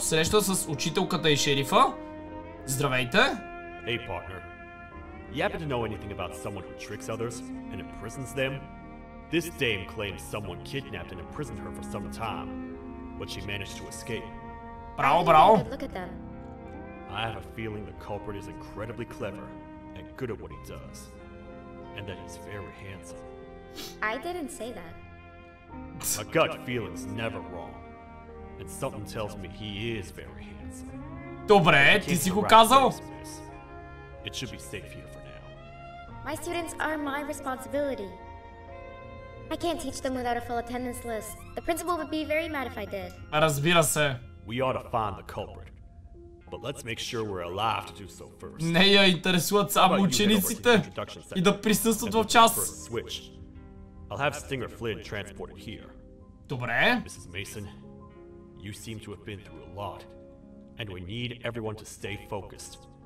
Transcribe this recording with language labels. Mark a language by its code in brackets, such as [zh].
[bg] Среща с учителката и шерифа. Здравейте. [en] Hey, partner. You happen to know anything about someone who tricks others and imprisons them? This dame claims someone kidnapped and imprisoned her for some time, but she managed to escape. [bg] Браво, браво! [en] I have a feeling the culprit is incredibly clever and good at what he does. And that he's very handsome. I didn't say that. A gut feeling's never wrong. And something tells me he is very handsome. [bg] Добре, ти си го казал! [en] It should be safe here for now. My students are my responsibility. I can't teach them without a full attendance list. The principal would be very mad if I did. [bg] Разбира се. [en] We ought to find the culprit. But let's make sure we're alive to do so first. [bg] Не я интересуват само учениците и да присъстват в час. [en] Switch. I'll have Stinger Flynn transported here. [bg] Добре. [en] Mrs. Mason, you seem to have been through a lot. And we need everyone to stay focused.